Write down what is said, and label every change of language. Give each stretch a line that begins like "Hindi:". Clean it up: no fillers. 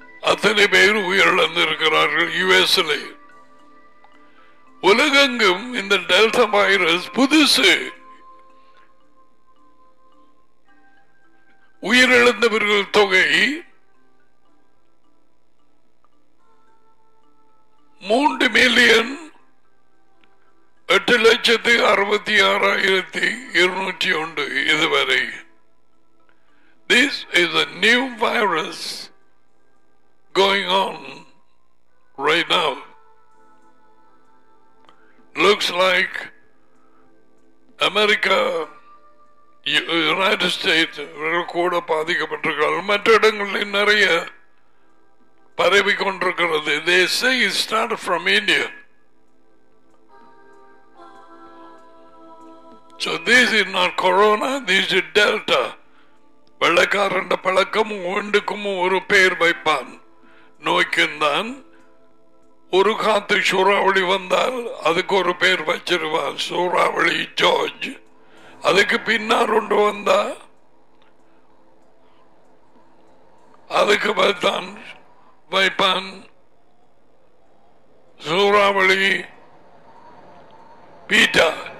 Tamil: அத்தனை பேர் உயிரிழந்திருக்கிறார்கள் யுஎஸ்ல. உலகெங்கும் இந்த டெல்டா வைரஸ் புதுசு உயிரிழந்தவர்கள் தொகை 3,866,201 இதுவரை.
English: This is a new virus going on right now. Looks like America, United States,
Tamil: கூட பாதிக்கப்பட்டிருக்கிறார்கள். மற்ற இடங்களில் நிறைய பரவி கொண்டிருக்கிறது.
English: They say it started from India. So this is not corona, this is Delta.
Tamil: வெள்ளக்காரன் பழக்கமும் உண்டுக்குமும் ஒரு பெயர் வைப்பான் நோய்க்குந்தான். ஒரு காத்து சூறாவளி வந்தால் அதுக்கு ஒரு பெயர் வச்சிருவான், சூறாவளி ஜார்ஜ். அதுக்கு பின்னால் ஒன்று வந்தா அதுக்கு பார்த்தான் வைப்பான் சூறாவளி பீட்டா.